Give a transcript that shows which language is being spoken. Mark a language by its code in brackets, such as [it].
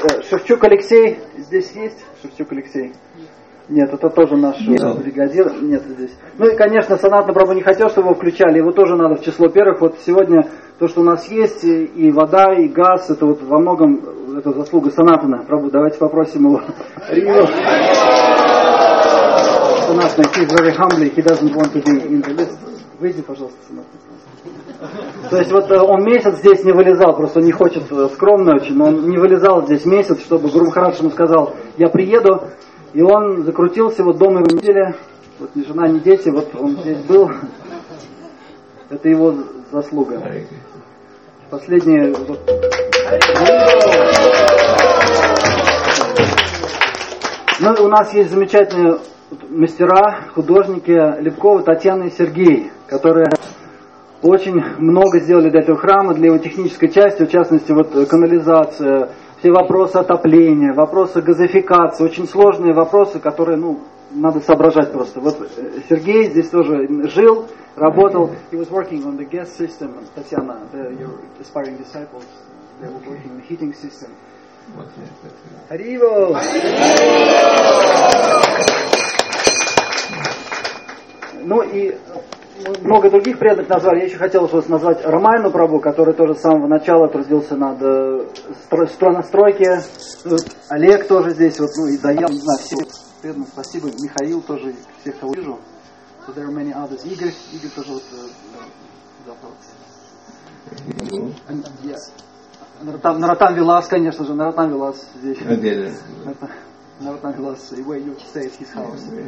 [ru] Шевчук Алексей здесь есть? Шевчук Алексей? Нет, это тоже наш бригадир. Нет здесь. Ну и, конечно, Санатна Прабху не хотел, чтобы его включали. Его тоже надо в число первых. Вот сегодня то, что у нас есть, и вода, и газ, это вот во многом... Это заслуга Санатана. Прабу, давайте попросим его. Рио. [en] Санатана, he's very humble, he doesn't want to be in the list. [ru] Выйди, пожалуйста, Санатана. То есть вот он месяц здесь не вылезал, просто не хочет скромно очень, но он не вылезал здесь месяц, чтобы Гуру Махарадж ему сказал, я приеду. И он закрутился, вот дома его неделя, вот ни жена, ни дети, вот он здесь был. Это его заслуга. Последнее... Ну, у нас есть замечательные мастера, художники Лепкова, Татьяна и Сергей, которые очень много сделали для этого храма, для его технической части, в частности, вот канализация, все вопросы отопления, вопросы газификации, очень сложные вопросы, которые, ну, надо соображать просто. Вот Сергей здесь тоже жил, работал. [en] He was working on the gas system, Татьяна, your aspiring disciples. They were working on the heating system. Хариво! [ru] Ну и много других преданных назвали. Я еще хотел вас назвать Рамайну Прабу, который тоже с самого начала трудился над стройке. Олег тоже здесь, вот, ну и Даян, не знаю, все преданные. Спасибо. Михаил тоже, всех, кого вижу. [en] So there are many others. [ru] Игорь тоже вот, завтра. Наратан Вилас, конечно же, Наратан Вилас здесь. Отдельно. [en] Наратан Вилас, и where you stay at his house.